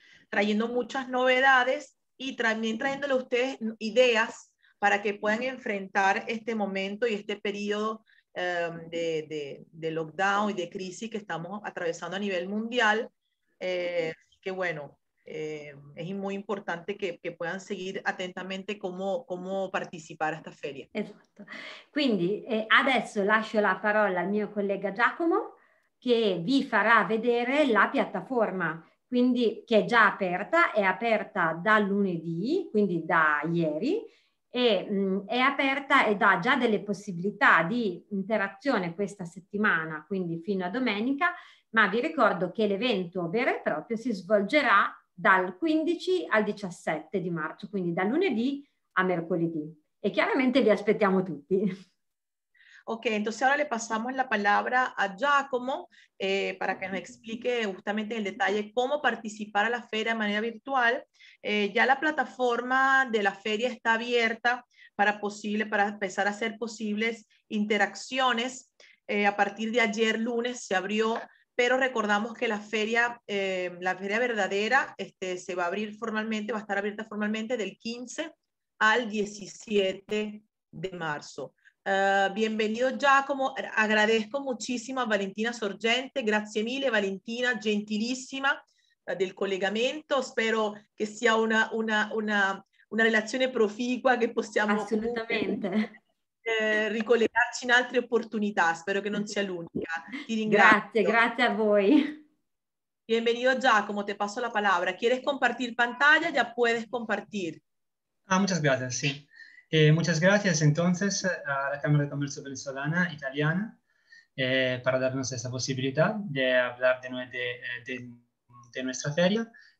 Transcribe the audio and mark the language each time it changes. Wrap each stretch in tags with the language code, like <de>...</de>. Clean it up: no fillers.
<es>trayendo muchas novedades y también trayéndole a ustedes ideas para que puedan enfrentar este momento y este periodo de lockdown y de crisis que estamos atravesando a nivel mundial, que bueno, es muy importante que puedan seguir atentamente cómo participar a esta feria. Exacto.</es> <it>Quindi, adesso lascio la parola al mio collega Giacomo, que vi farà vedere la piattaforma, quindi, que è già aperta, è aperta da lunedì, quindi da ieri, e è aperta e dà già delle possibilità di interazione questa settimana, quindi fino a domenica, ma vi ricordo che l'evento vero e proprio si svolgerà dal 15 al 17 di marzo, quindi da lunedì a mercoledì, e chiaramente vi aspettiamo tutti.</it> <es>Ok, entonces ahora le pasamos la palabra a Giacomo para que nos explique justamente en detalle cómo participar a la feria de manera virtual. Ya la plataforma de la feria está abierta para empezar a hacer posibles interacciones. A partir de ayer lunes se abrió, pero recordamos que la feria verdadera se va a abrir formalmente, va a estar abierta formalmente del 15 al 17 de marzo. Bienvenido Giacomo, agradezco muchísimo a Valentina Sorgente,</es> <it>grazie mille Valentina, gentilissima del collegamento, spero che sia una relazione proficua, che possiamo assolutamente ricollegarci in altre opportunità, spero che non sia l'unica. Ti ringrazio. Grazie, grazie a voi.</it> <es>Bienvenido Giacomo, te paso la palabra. ¿Quieres compartir pantalla? Ya puedes compartir. Ah, muchas gracias, sí. Muchas gracias entonces a la Cámara de Comercio Venezolana Italiana para darnos esta posibilidad de hablar de nuestra feria.</es>